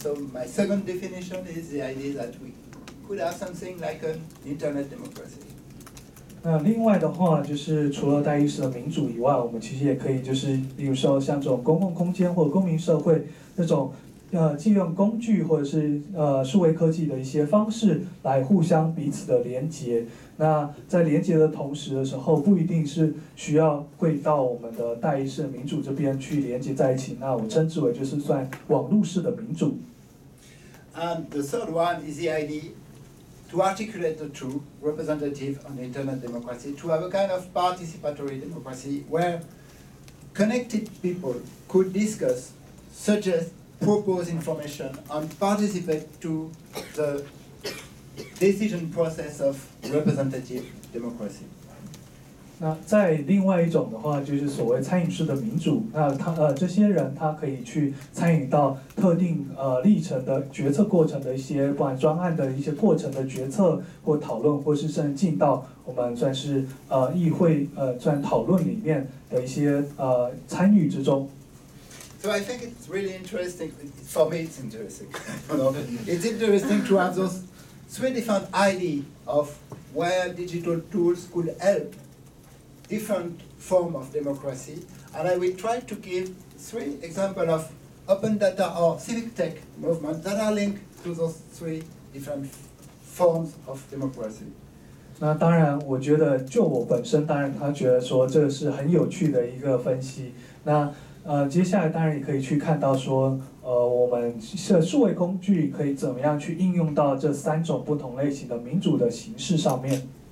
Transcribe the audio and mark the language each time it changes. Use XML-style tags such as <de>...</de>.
<en>So my second definition is the idea that we could have something like an internet democracy.</en> <zh>那另外的话，就是除了代议式的民主以外，我们其实也可以就是，比如说像这种公共空间或公民社会那种。借用工具或者是数位科技的一些方式来互相彼此的连接。那在连接的同时的时候，不一定是需要会到我们的代议式民主这边去连接在一起。那我称之为就是算网路式的民主。</zh> <en>And the third one is the idea to articulate the true representative and internet democracy to have a kind of participatory democracy where connected people could discuss, suggest, propose information and participate to the decision process of representative democracy.</en> <zh>那在另外一种的话，就是所谓参与式的民主。那这些人他可以去参与到特定历程的决策过程的一些，不管专案的一些过程的决策或讨论，或是甚至进到我们算是议会算讨论里面的一些参与之中。</zh> <en>So I think it's really interesting, for me it's interesting. It's interesting to have those three different ideas of where digital tools could help different forms of democracy. And I will try to give three examples of open data or civic tech movements that are linked to those three different forms of democracy.</en> <zh>那当然我觉得就我本身当然他觉得说这是很有趣的一个分析。那接下来当然也可以去看到说我们数位工具可以怎么样去应用到这三种不同类型的民主的形式上面。</zh>